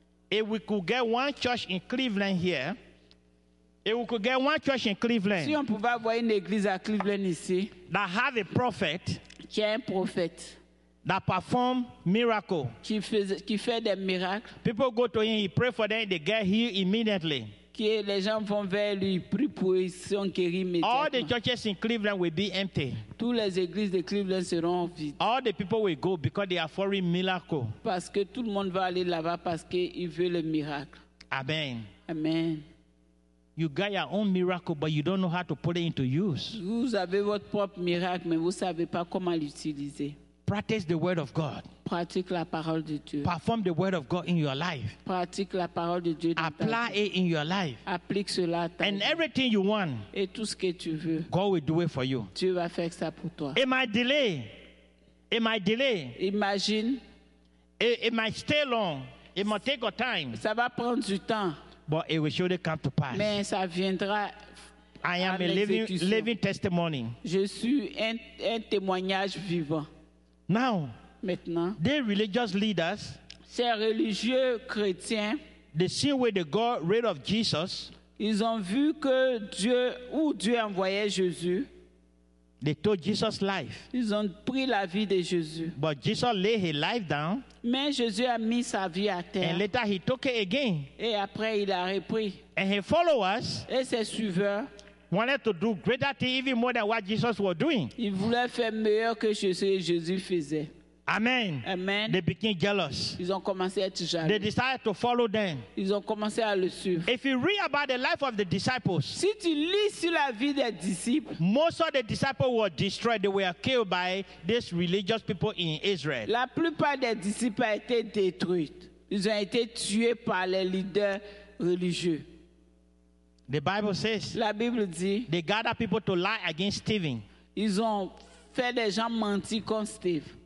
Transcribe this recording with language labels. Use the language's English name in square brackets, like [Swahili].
[English] If we could get one church in Cleveland here, if we could get one church in Cleveland, [French] si on pouvait avoir une église à Cleveland ici, [English] that had a prophet, [French] qui a un prophète, [English] that perform miracle. [French] Qui fait des miracles. [English] People go to him, he pray for them, they get healed immediately. [French] Qui les gens vont vers lui, prie pour eux, ils sont guéris immédiatement. [English] All the churches in Cleveland will be empty. [French] Toutes les églises de Cleveland seront vides. [English] All the people will go because they are for a miracle. [French] Parce que tout le monde va aller là-bas parce qu'il veut le miracle. [English] Amen. [French] Amen. [English] You got your own miracle, but you don't know how to put it into use. [French] Vous avez votre propre miracle, mais vous savez pas comment l'utiliser. [English] Practice the word of God. [French] Pratique la parole de Dieu. [English] Perform the word of God in your life. [French] Pratique la parole de Dieu. [English] Apply [French] ta vie. [English] It in your life. [French] Applique cela à ta [English] and [French] vie. [English] Everything you want. [French] Et tout ce que tu veux. [English] God will do it for you. [French] Dieu va faire ça pour toi. [English] It might delay. It might delay. [French] Imagine. [English] It might stay long. It might take a time. [French] Ça va prendre du temps. [English] But it will surely come to pass. [French] Mais ça viendra. [English] I am a living testimony. [French] Je suis un témoignage vivant. [English] Now, [French] maintenant, [English] the religious leaders, [French] ces religieux chrétiens, [English] they see where they got rid of Jesus. [French] Ils ont vu que Dieu où Dieu envoyait Jésus. [English] They took Jesus' life. [French] Ils ont pris la vie de Jésus. [English] But Jesus laid his life down. [French] Mais Jésus a mis sa vie à terre. [English] And later he took it again. [French] Et après il a repris. [English] And his followers. [French] Et ses suiveurs. [English] Wanted to do greater things, even more than what Jesus was doing. [French] Ils voulaient faire meilleur que ce que Jésus faisait. [English] Amen. [French] Amen. [English] They became jealous. [French] Ils ont commencé à être jaloux. [English] They decided to follow them. [French] Ils ont commencé à le suivre. [English] If you read about the life of the disciples, [French] si tu lis sur la vie des disciples, [English] most of the disciples were destroyed. They were killed by these religious people in Israel. [French] La plupart des disciples ont été détruits. Ils ont été tués par les leaders religieux. [English] The Bible says, [French] la Bible dit, [English] they gather people to lie against Stephen. [French] Ils ont fait des gens mentir contre Steve.